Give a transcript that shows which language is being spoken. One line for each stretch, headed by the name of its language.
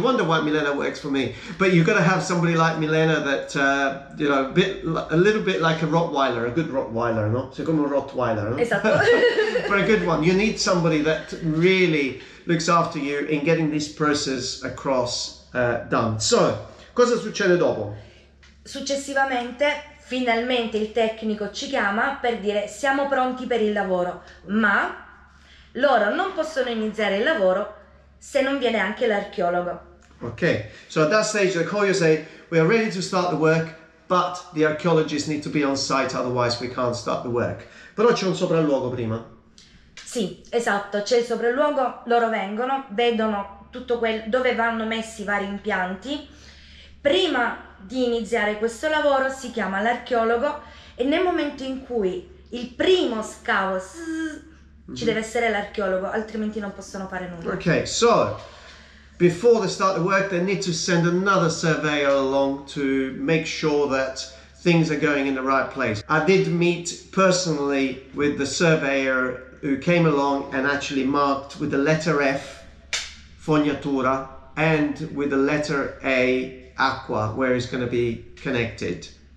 English: You wonder why Milena works for me, but you got to have somebody like Milena that you know, a little bit like a Rottweiler, a good Rottweiler, no? So come a Rottweiler, no?
Italian: Esatto.
English: But a good one. You need somebody that really looks after you in getting this process across done.
Italian: So, cosa succede dopo? Successivamente, finalmente il tecnico ci chiama per dire siamo pronti per il lavoro, ma loro non possono iniziare il lavoro se non viene anche l'archeologo.
English: Ok, so at that stage they call you and say we are ready to start the work, but the archaeologists need to be on site, otherwise we can't start the work.
Italian: Però c'è un sopralluogo prima. Sì, esatto, c'è il sopralluogo, loro vengono, vedono tutto quel dove vanno messi i vari impianti. Prima di iniziare questo lavoro si chiama l'archeologo e nel momento in cui il primo scavo ci deve essere l'archeologo, altrimenti non possono fare nulla.
English: Ok, so before they start the work they need to send another surveyor along to make sure that things are going in the right place. I did meet personally with the surveyor who came along and actually marked with the letter F fognatura and with the letter A acqua, where it's going to be connected.